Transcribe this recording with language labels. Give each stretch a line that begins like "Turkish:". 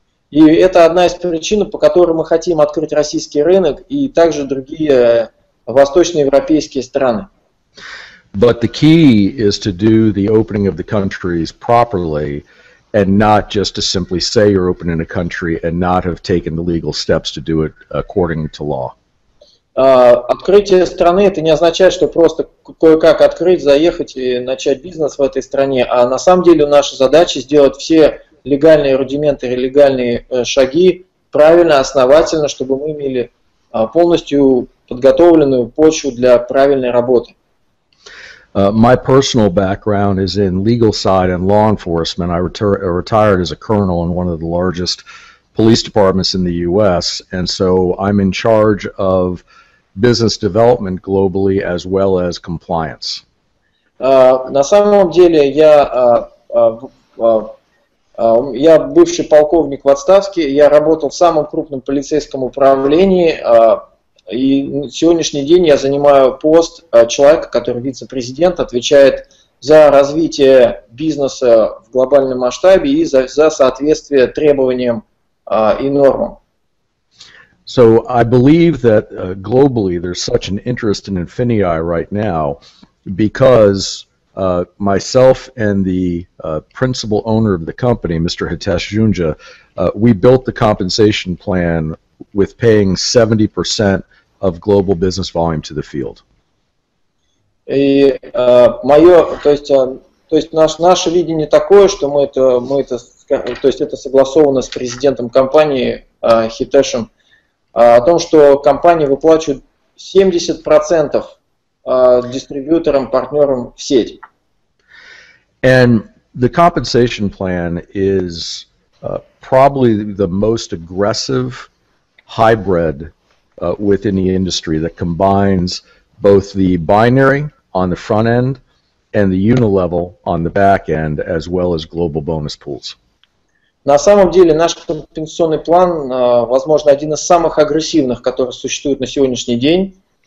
Russian: И это одна из причин, по которой мы хотим открыть российский рынок и также другие восточноевропейские страны.
English: But the key is to do the opening of the countries properly and not just to simply say you're opening a country and not have taken the legal steps to do it according to law.
Russian: Открытие страны, это не означает, что просто кое-как открыть, заехать и начать бизнес в этой стране, а на самом деле наша задача сделать все легальные рудименты, легальные шаги правильно, основательно, чтобы мы имели полностью подготовленную почву для правильной работы.
English: My personal background is in legal side and law enforcement. I retired as a colonel in one of the largest police departments in the US, and so I'm in charge of business development globally as well as compliance.
Russian: На самом деле я бывший полковник в отставке, я работал в самом крупном полицейском управлении, и на сегодняшний день я занимаю пост человека, который вице-президент, отвечает за развитие бизнеса в глобальном масштабе и за соответствие требованиям и нормам.
English: So I believe that globally there's such an interest in Infinii right now because myself and the principal owner of the company, Mr. Hitesh Junja, we built the compensation plan with paying 70% of global business volume to the field.
Russian: И наше видение такое, что это согласовано с президентом компании Хитешем. О том, что компания выплачивает 70% дистрибьюторам, партнерам в сети.
English: And the compensation plan is probably the most aggressive hybrid within the industry that combines both the binary on the front end and the unilevel on the back end, as well as global bonus pools.
Russian: На самом деле наш компенсационный план, возможно, один из самых агрессивных, которые существуют на сегодняшний день.